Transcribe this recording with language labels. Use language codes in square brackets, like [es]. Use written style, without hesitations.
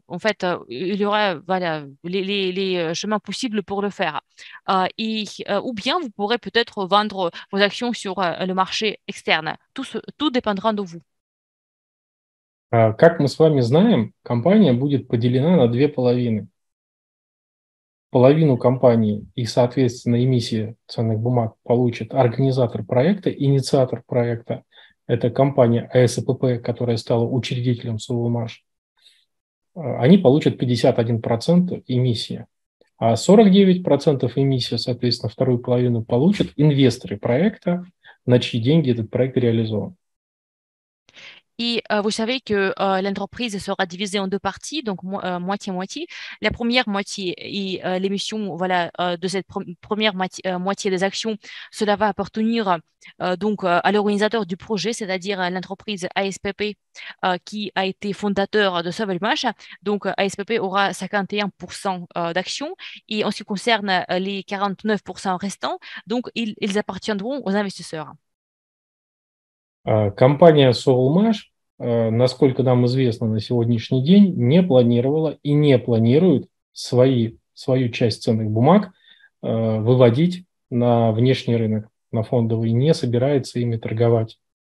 [fr] En fait, il y aura les chemins possibles pour le faire. Ou bien vous pourrez peut-être vendre vos actions sur le marché externe. Tout dépendra de vous. [ru] Как мы с вами знаем, компания будет поделена на две половины. Половину компании и, соответственно, эмиссии ценных бумаг получит организатор проекта, инициатор проекта. Это компания АСПП, которая стала учредителем Solmash. Они получат 51% эмиссии. А 49% эмиссии, соответственно, вторую половину получат инвесторы проекта, на чьи деньги этот проект реализован. [fr] Et vous savez que l'entreprise sera divisée en deux parties, donc moitié-moitié. La première moitié et l'émission de cette première moitié des actions, cela va appartenir à l'organisateur du projet, c'est-à-dire l'entreprise ASPP qui a été fondateur de Solmash. Donc ASPP aura 51% d'actions. Et en ce qui concerne les 49% restants, donc ils appartiendront aux investisseurs. [ru] Компания Solmash, насколько нам известно на сегодняшний день, не планировала и не планирует свою часть ценных бумаг выводить на внешний рынок, на фондовый, не собирается ими торговать.